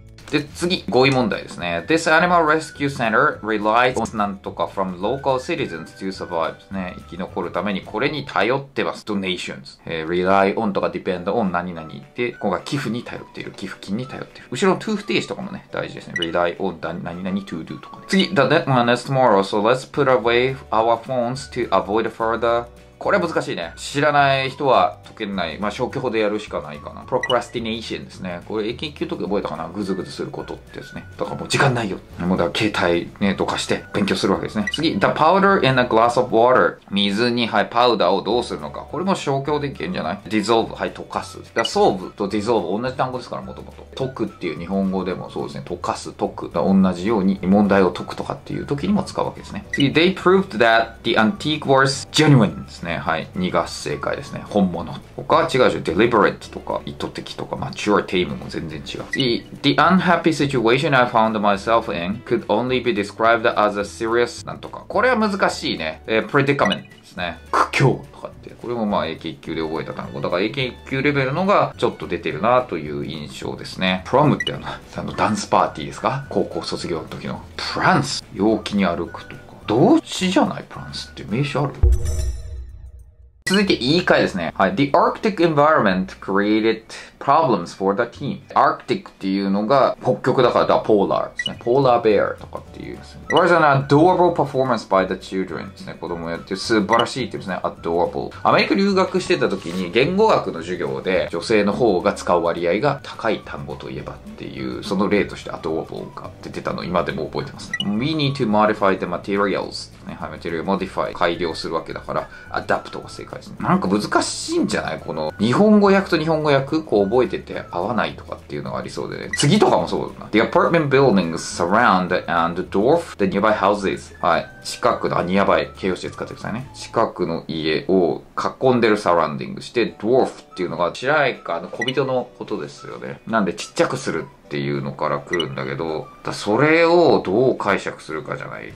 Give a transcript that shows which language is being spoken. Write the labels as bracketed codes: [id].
[ja] で、次、語彙問題ですね。 [en] This animal rescue center relies on [ja] なんとか [en] from local citizens to survive ね。 [ja] 生き残るためにこれに頼ってます。 donations。 [en] rely on [ja] とか [en] depend on [ja] 何々って、今回寄付に頼っている。寄付金に頼っている。後ろの to 不定詞とかもね、大事ですね。 [en] rely on 何々 to do [ja] とかね。次、 [en] the deadline is tomorrow, so let's put away our phones to avoid further [ja] これは難しいね。知らない人は解けない。まあ消去法でやるしかないかな。 Procrastination ですね。これ英検1級の時覚えたかな。グズグズすることってですね。だからもう時間ないよ。もうだから携帯ねとかして勉強するわけですね。次、 [en] The powder in a glass of water。 [ja] 水に、はい、パウダーをどうするのか。これも消去法でいけんじゃない。 Dissolve、はい、溶かす。だ、solve と dissolve 同じ単語ですから、もともと。解くっていう日本語でもそうですね。溶かす、解く。だ、同じように問題を解くとかっていう時にも使うわけですね。次、 [en] They proved that the antique was genuine [ja] ですね。はい、2が正解ですね。本物。他は違うでしょ。Deliberate とか意図的とか、Mature tame も全然違う。次、 [en] The unhappy situation I found myself in could only be described as a serious [ja] なんとか。これは難しいね。Predicament ですね。苦境とかって。これもまあ英検1級で覚えた単語。だから英検1級レベルのがちょっと出てるなという印象ですね。 Prom ってあのダンスパーティーですか？高校卒業の時の。 Prance、陽気に歩くとか。動詞じゃない Prance って名詞ある？続いて言い換えですね。はい。 [en] The Arctic environment created problems for the team. [ja] Arctic っていうのが北極だから、Polar ですね。 Polar Bear とかっていうですね。 [en] It was an adorable performance by the children [ja] ですね。子供やって素晴らしいって言うんですね。 [en] Adorable。 [ja] アメリカ留学してた時に言語学の授業で女性の方が使う割合が高い単語といえばっていう、その例として Adorable が出てたの今でも覚えてますね。 [en] We need to modify the materials [ja] ね。はい。 [en] Material modify。 [ja] 改良するわけだから、Adapt が正解ですね。なんか難しいんじゃないこの日本語訳と日本語訳こう覚えてて合わないとかっていうのがありそうでね。次とかもそうだな。 [en] The apartment buildings surround and dwarf the nearby houses. [ja] はい。近くの、あ、nearby、形容詞で使ってくださいね。近くの家を囲んでるサラウンディングして、dwarf っていうのが、知らないか、あの、小人のことですよね。なんで、ちっちゃくするっていうのから来るんだけど、だそれをどう解釈するかじゃない。